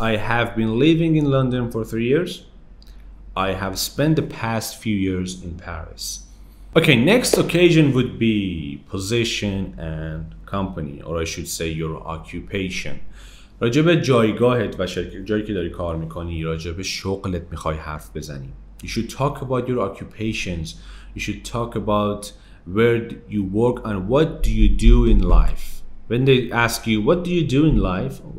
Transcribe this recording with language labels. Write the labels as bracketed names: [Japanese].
[English] I have been living in London for 3 years. I have spent the past few years in Paris. Okay, next occasion would be position and company, or I should say your occupation. [Persian] راجب جایگاهت و شرکت، جایی که داری کار میکنی، راجب شغلت میخوای حرف بزنی. [English] You should talk about your occupations. You should talk about where you work and what do you do in life. When they ask you, what do you do in life?